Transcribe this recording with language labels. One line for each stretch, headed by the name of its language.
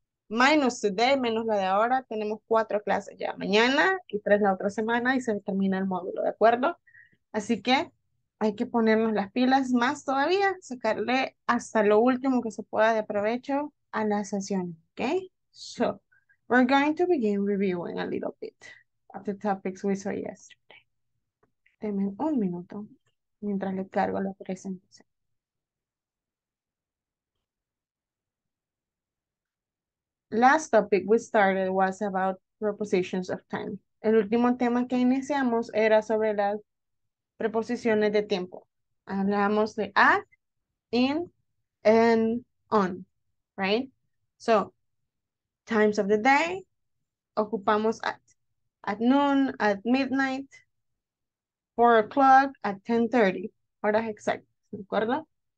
English: Minus today,
Spanish: menos la de ahora, tenemos 4 clases ya mañana y 3 la otra semana y se termina el módulo, ¿de acuerdo? Así que hay que ponernos las pilas más todavía, sacarle hasta lo último que se pueda de provecho a la sesión, ¿ok?
English: So, we're going to begin reviewing a little bit of the topics we saw yesterday.
Spanish: Denme un minuto mientras le cargo la presentación.
English: Last topic we started was about prepositions of time.
Spanish: El último tema que iniciamos era sobre las preposiciones de tiempo. Hablamos de at, in, and on, right?
English: So, times of the day, ocupamos at. At noon, at midnight, 4 o'clock, at 10:30,
Spanish: horas exactas, ¿de acuerdo?